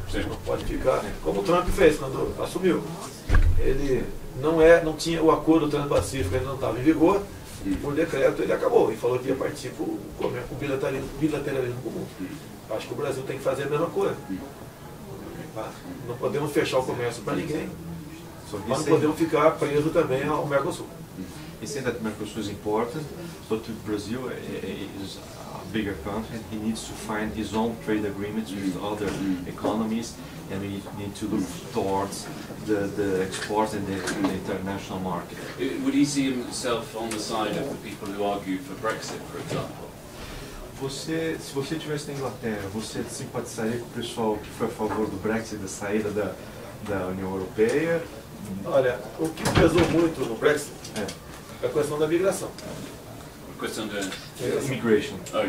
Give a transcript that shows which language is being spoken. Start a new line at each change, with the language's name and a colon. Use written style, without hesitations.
Portuguese: Você não pode ficar como o Trump fez quando assumiu. Ele não tinha o acordo transpacífico, ele não estava em vigor, por decreto ele acabou e falou que ia partir com o bilateralismo comum. Acho que o Brasil tem que fazer a mesma coisa. Não podemos fechar o comércio para ninguém. Mas não podemos ficar preso também ao Mercosul.
English: He said that Mercosul is important, but Brazil is a bigger country. He needs to find his own trade agreements with other economies, and we need to look towards the exports and the international market. Would he see himself on the side of the people who argue for Brexit, for example?
Portuguese: Se você estivesse na Inglaterra, você simpatizaria com o pessoal que foi a favor do Brexit, da saída da União Europeia? Olha, o que pesou muito no Brexit é a questão da migração. A questão da imigração.